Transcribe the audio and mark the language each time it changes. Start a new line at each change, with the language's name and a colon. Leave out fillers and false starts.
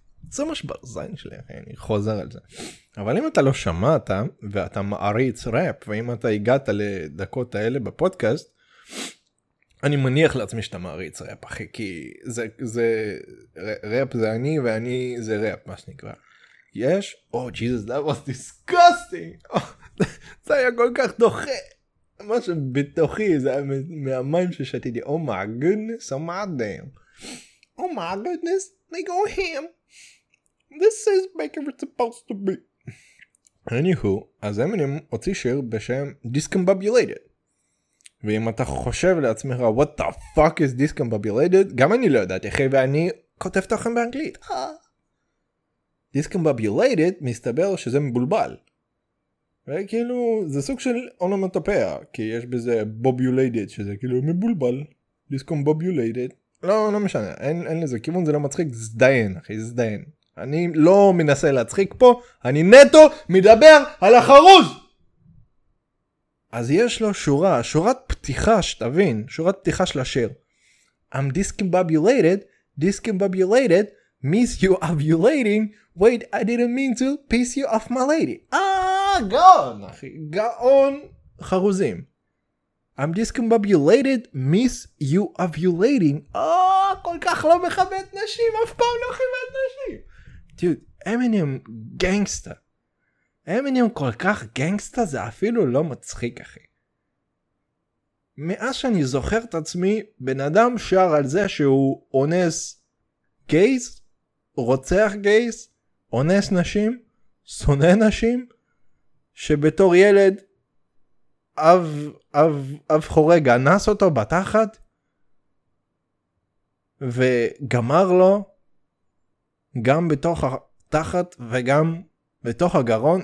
Hebrew: זה משבר זין שלי, אני חוזר על זה. אבל אם אתה לא שמעת, ואתה מעריץ ראפ, ואם אתה הגעת לדקות האלה בפודקאסט, אני מניח לעצמי שאתה מעריץ ראפ, אחי, כי זה ראפ זה אני, ואני זה ראפ, מה שנקרא. יש?
English: Oh, Jesus, that was disgusting!
Hebrew: זה היה כל כך דוחה. משהו בתוכי, זה היה מהמים ששתיתי.
English: Oh my goodness, oh my damn. Oh my goodness, they go ham. This is like it's supposed to be.
Hebrew: Anywho, אז אמינם הוציא שיר בשם Discombobulated. ואם אתה חושב לעצמך,
English: what the fuck is Discombobulated?
Hebrew: גם אני לא יודעת, אחי, ואני כותב תוכן באנגלית. Discombobulated מסתבר שזה מבולבל. וכאילו, זה סוג של אונומטופיה, כי יש בזה בובולייטד, שזה כאילו מבולבל. Discombobulated. לא משנה, אין לזה כיוון, זה לא מצחיק. זדיין, אחי, זדיין. אני לא מנסה להצחיק פה, אני נטו מדבר על החרוז! אז יש לו שורה, שורת פתיחה שתבין, שורת פתיחה של השיר.
English: I'm discombobulated, discombobulated, miss you ovulating, wait, I didn't mean to, piss you off my lady.
Hebrew: גאון, אחי, גאון חרוזים.
English: I'm discombobulated, miss you ovulating.
Hebrew: כל כך לא מכבד נשים, אף פעם לא מכבד נשים. דוד, אמינם גנגסטה. אמינם כל כך גנגסטה, זה אפילו לא מצחיק, אחי. מאז שאני זוכר את עצמי, בן אדם שר על זה שהוא אונס גייז, רוצח גייז, אונס נשים, שונא נשים, שבתור ילד אב חורג אנס אותו בתחת, וגמר לו, גם בתוך התחת וגם בתוך הגרון.